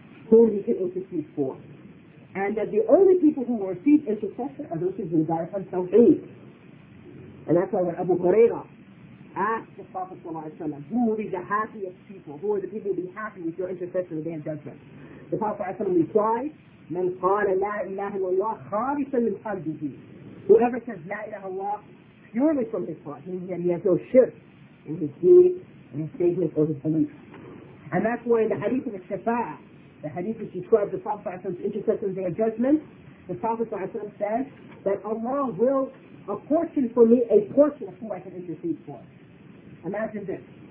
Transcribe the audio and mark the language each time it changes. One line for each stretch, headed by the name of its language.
English: Whom he can intercede for. And that the only people who will receive intercession are those who desire for tawheed. And that's why when Abu Huraira asked the Prophet ﷺ, who will be the happiest people? Who are the people who will be happy with your intercession in the day of judgment? The Prophet ﷺ replied,
Arabic: مَنْ قَالَ لَا إِلَّهِ اللَّهِ خَالِصًا مِنْ قَلْبِهِ.
English: Whoever says La ilaha Allah purely from his heart, meaning that he has no shirk in his deed, in his statement, or his belief. And that's why in the hadith of Shafa'ah, the hadith which describes the Prophet's intercession in the day of judgment, the Prophet says that Allah will apportion for me a portion of who I can intercede for. Imagine this.